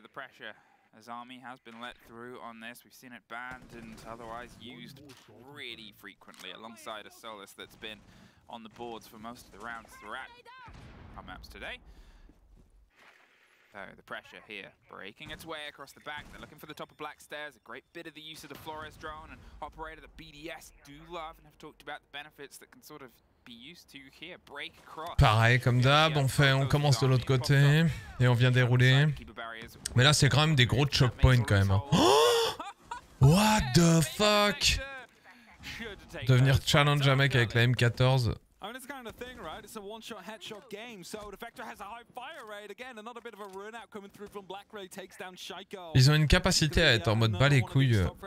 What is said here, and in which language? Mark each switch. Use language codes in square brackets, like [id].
[en] The pressure as army has been let through on this. We've seen it banned and otherwise used pretty frequently alongside a Solus that's been on the boards for most of the rounds throughout. Maps today. So the pressure here breaking its way across the back. They're looking for the top of Black Stairs. A great bit of the use of the Flores drone and operator that BDS do love and have talked about the benefits that can sort of be used to here. Break across. [fr] Pareil, comme d'hab, on commence de l'autre côté et on vient dérouler. Mais là, c'est quand même des gros choke points quand même. [en] Oh, what the fuck? [fr] Devenir challenge un mec avec la M14. [en] I mean, it's kind of thing, right? It's a one-shot headshot game, so the Vector has a high fire rate. Again, another bit of a run-out coming through from Black Ray takes down Shaco. [fr] Ils ont une capacité à être en mode bas les couilles.